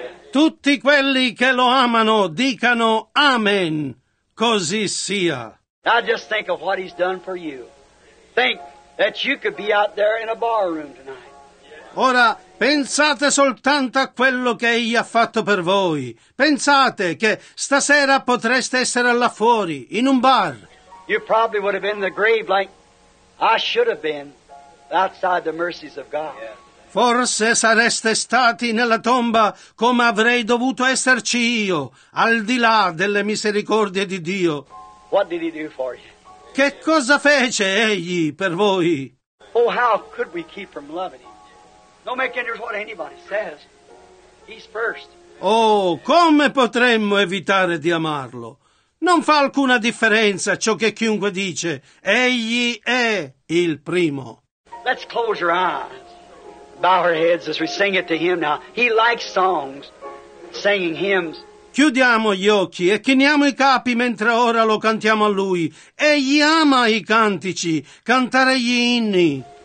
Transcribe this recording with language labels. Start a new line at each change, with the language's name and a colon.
Italian: Tutti quelli che lo amano dicano amen, così sia.
English: Now just think of what he's done for you. Think that you could be out there in a bar room tonight.
Italian: Ora pensate soltanto a quello che egli ha fatto per voi. Pensate che stasera potreste essere là fuori in un bar.
English: You probably would have been in the grave like I should have been outside the mercies of God.
Italian: Forse sareste stati nella tomba come avrei dovuto esserci io, al di là delle misericordie di Dio.
English: What did he do for you?
Italian: Che cosa fece egli per voi?
English: Oh, how could we keep from loving him? Don't make any difference what anybody says. He's first.
Italian: Oh, come potremmo evitare di amarlo? Non fa alcuna differenza ciò che chiunque dice. Egli è il primo.
English: Let's close your eyes. Bow our heads as we sing it to him now. He likes songs, singing hymns.
Italian: Chiudiamo gli occhi e chiniamo i capi mentre ora lo cantiamo a lui. Egli ama i cantici, cantare gli inni.